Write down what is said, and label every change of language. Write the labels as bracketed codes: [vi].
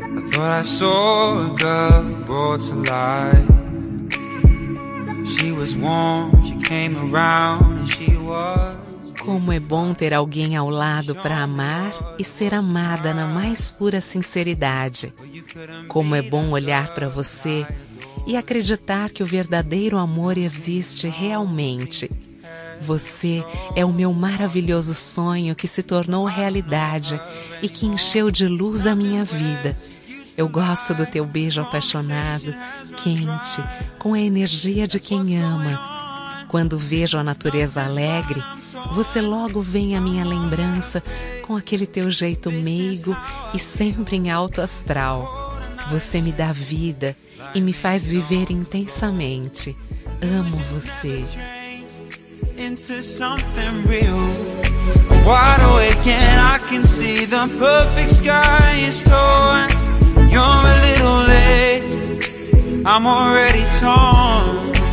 [en] But I saw a girl brought to life. She was warm, she came around and she was. [pt] Como é bom ter alguém ao lado para amar e ser amada na mais pura sinceridade. Como é bom olhar para você e acreditar que o verdadeiro amor existe realmente. Você é o meu maravilhoso sonho que se tornou realidade e que encheu de luz a minha vida. Eu gosto do teu beijo apaixonado, quente, com a energia de quem ama. Quando vejo a natureza alegre, você logo vem à minha lembrança com aquele teu jeito meigo e sempre em alto astral. Você me dá vida e me faz viver intensamente. Amo você. [en] Into something real. Wide awake and I can see the perfect sky in store. You're a little late, I'm already torn.